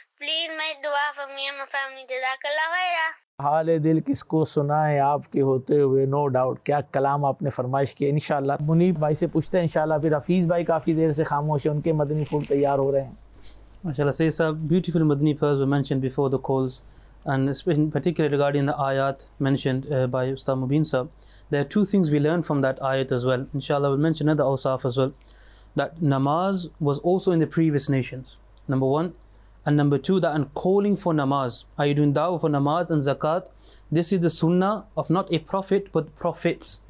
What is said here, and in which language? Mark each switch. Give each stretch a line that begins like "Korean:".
English: Please make dua for me and my family. Jazakallah khaira.
Urdu: حالِ دل کس کو سنائے آپ کے ہوتے ہوئے.
English: no doubt
Urdu: کیا کلام آپ نے فرمائش کیا. انشاءاللہ منیب بھائی سے پوچھتے ہیں انشاءاللہ. پھر حفیظ بھائی کافی دیر سے خاموش ہیں, ان کے مدنی پھول تیار ہو رہے ہیں.
English: MashaAllah, Sayyid Sahib, beautiful Madani prayers were mentioned before the calls, and in particular regarding the ayat mentioned by Ustaz Mubeen Sahib, there are two things we learned from that ayat as well. InshaAllah, we'll mention another awsaf as well, that namaz was also in the previous nations, number one, and number two, that in calling for namaz, are you doing da'wah for namaz and zakat, this is the sunnah of not a prophet, but prophets.